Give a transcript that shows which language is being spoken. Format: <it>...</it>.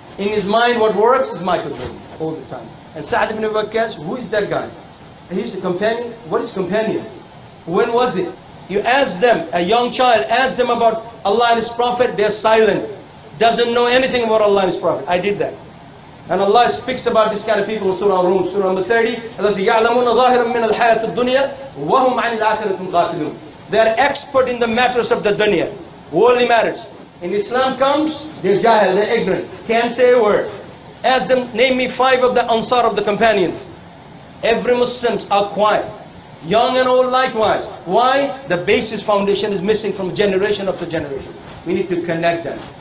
<en>In his mind, what works is Michael Jordan all the time. And Sa'd ibn Abi Waqqas, who is that guy? He's a companion. What is companion? When was it? You ask them, a young child, ask them about Allah and His Prophet, they're silent. Doesn't know anything about Allah and His Prophet. I did that. And Allah speaks about this kind of people in Surah Al-Rum, Surah number 30. Allah says,</en> <ar>يَعْلَمُونَ ظَاهِرًا مِّنَ الْحَيَاةِ الدُّنْيَا وَهُمْ عَنِ الْآخِرَةِ غَافِلُونَ.</ar> <en>They are expert in the matters of the dunya, worldly matters. In Islam comes, they're jahil, they're ignorant, can't say a word. Ask them, name me 5 of the Ansar of the companions. Every Muslims are quiet, young and old likewise. Why? The basis foundation is missing from generation after generation. We need to connect them.</en>